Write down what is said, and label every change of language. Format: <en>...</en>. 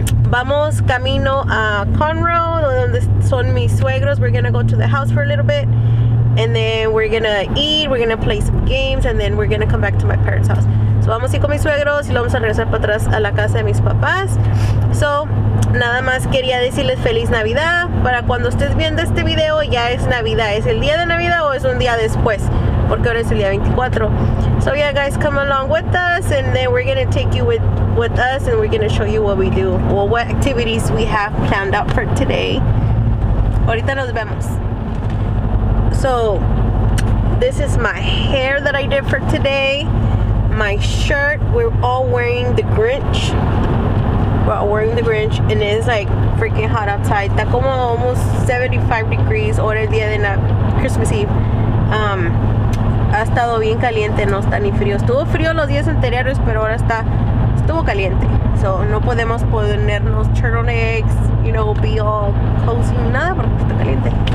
<es>Vamos camino a Conroe, donde son mis suegros.</es> <en>We're gonna go to the house for a little bit, and then we're gonna eat, we're gonna play some games, and then we're gonna come back to my parents' house.</en> <es>So, vamos a ir con mis suegros y lo vamos a regresar para atrás a la casa de mis papás. So, nada más quería decirles Feliz Navidad. Para cuando estés viendo este video, ya es Navidad. ¿Es el día de Navidad o es un día después? Porque ahora es el día 24.</es> <en>So, yeah, guys, come along with us. And then we're going to take you with us. And we're going to show you what we do. Or what activities we have planned out for today.</en> <es>Ahorita nos vemos.</es> <en>So, this is my hair that I did for today. My shirt, we're all wearing the Grinch. We're all wearing the Grinch, and it's like freaking hot outside.</en> <es>Está como</es> <en>almost 75 degrees</en> <es>ahora el día de Christmas Eve. Ha estado bien caliente, no está ni frío. Estuvo frío los días anteriores, pero ahora estuvo caliente. So, no podemos ponernos</es> <en>turtlenecks, you know, be all cozy,</en> <es>nada, porque está caliente.</es>